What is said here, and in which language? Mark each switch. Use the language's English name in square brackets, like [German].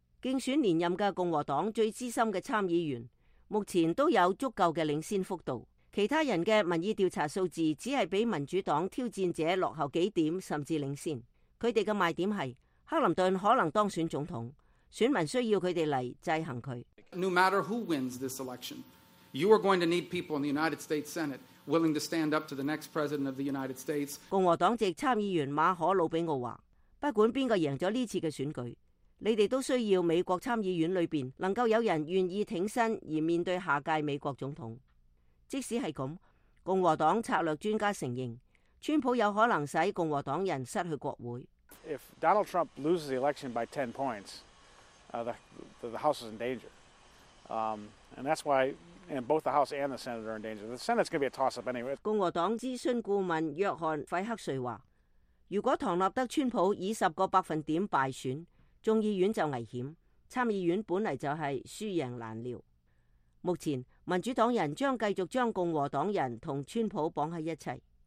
[Chinese] 竞选连任的共和党最资深的参议员目前都有足够的领先幅度，其他人的民意调查数字只是比民主党挑战者落后几点甚至领先。他们的卖点是克林顿可能当选总统，选民需要他们来制衡他。 [English] No matter who wins this election, you are going to need people in the United States SenateWilling to stand up to the next president of the United States. [Chinese] 共和党籍参议员马可·鲁比奥说，不管哪个赢了这次的选举，你们都需要美国参议院里面能够有人愿意挺身而面对下届美国总统。即使是这样，共和党策略专家承认，川普有可能使共和党人失去国会。 [English] If Donald Trump loses the election by 10 points, the House is in danger. And that's why. And both the House and the Senate are in danger. The Senate's going to be a toss-up anyway. [Chinese] 共和党咨询顾问约翰·费克瑞说，如果唐纳德·川普以10%败选，众议院就危险，参议院本来就是输赢难料。目前民主党人将继续将共和党人和川普绑在一起。